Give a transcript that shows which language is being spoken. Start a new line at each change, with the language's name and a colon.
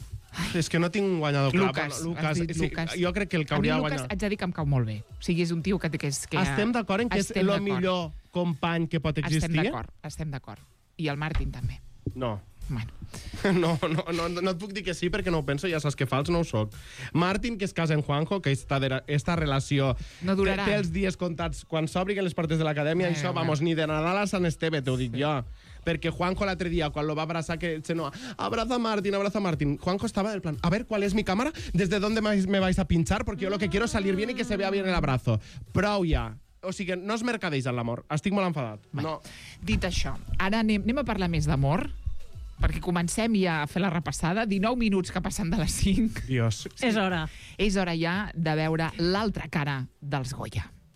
Catalan: Ai. És que no tinc un guanyador clar. Lucas. Jo crec que el que hauria guanyat... A mi, Lucas, haig de dir que em cau molt bé. O sigui, és un tio que estem d'acord en que és el millor company que pot existir? Estem d'acord. I el Martin també. No. Bueno. No et puc dir que sí, perquè no ho penso, ja saps que fals, no ho soc. Martin, que es casa en Juanjo, que esta relació... No durarà. Té els dies comptats quan s'obriguen les portes de l'acadèmia, això, vamos, ni de Nadal a Sant Esteve, t'ho dic jo. Perquè Juanjo l'altre dia, quan lo va abraçar,
Spanish: que dice, no, abraza a Martín.
Catalan: Juanjo estava del plan,
Spanish: a ver, ¿cuál es mi cámara? ¿Desde dónde me vais a pinchar? Porque yo lo que quiero es salir bien y que se vea bien el abrazo.
Catalan: Prou ja. O sigui, no es mercadeix en l'amor. Estic molt enfadat. Vai. No. Dit això, ara anem a parlar més d'amor, perquè comencem ja a fer la repassada. 19 minuts que passen de les 5.
Spanish: Dios. Sí.
Catalan: És hora. És hora ja de veure l'altra cara dels Goya.